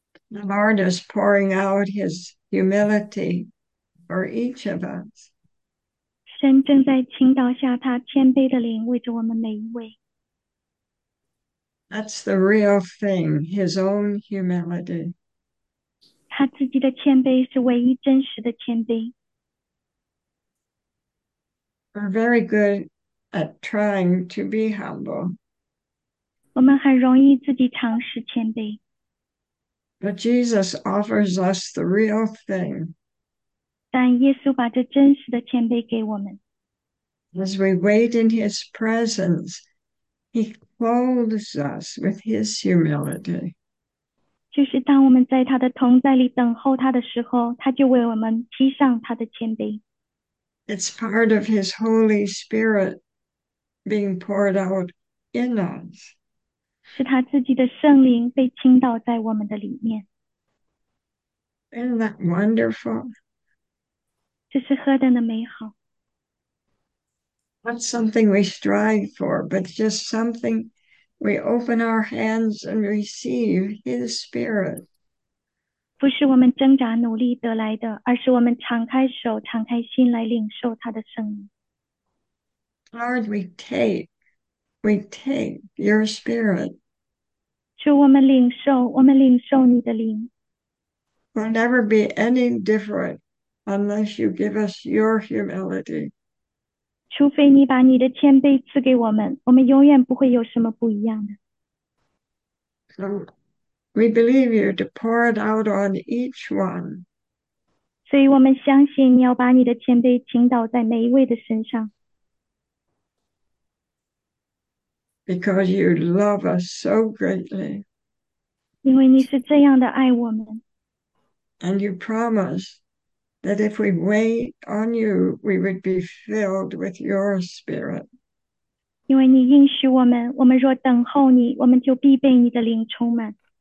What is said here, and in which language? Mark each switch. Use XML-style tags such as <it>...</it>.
<en>The Lord is pouring out his humility for each of us.</en> <zh>Shen 正在倾倒下他谦卑的灵，为着我们每一位。</zh> <en>That's the real thing, his own humility.</en> <zh>他自己的谦卑是唯一真实的谦卑。</zh> <en>We're very good at trying to be humble.</en> <zh>我们很容易自己尝试谦卑，</zh> <en>But Jesus offers us the real thing.</en> <zh>但耶稣把这真实的谦卑给我们。</zh> <en>As we wait in his presence, he clothes us with his humility.</en> <zh>就是当我们在他的同在里等候他的时候，他就为我们披上他的谦卑。</zh> <en>It's part of his Holy Spirit being poured out in us.</en> <zh>是他自己的圣灵被倾倒在我们的里面，</zh> <en>Isn't that wonderful?</en> <zh>这是何等的美好！</zh> <en>Not something we strive for, but just something we open our hands and receive His Spirit.</en> <zh>不是我们挣扎努力得来的，而是我们敞开手、敞开心来领受他的圣灵。</zh> <en>Lord, we take your spirit.</en> <zh>主，我们领受，我们领受你的灵。</zh> <en>We'll never be any different unless you give us your humility.</en> <zh>除非你把你的谦卑赐给我们，我们永远不会有什么不一样的。</zh> <en>So we believe you to pour it out on each one.</en> <zh>所以我们相信你要把你的谦卑倾倒在每一位的身上。</zh> <en>Because you love us so greatly.</en> <zh>因为你是这样的爱我们，</zh> <en>And you promise that if we wait on you, we would be filled with your spirit.</en> <zh>因为你应许我们，我们若等候你，我们就必被你的灵充满。</zh>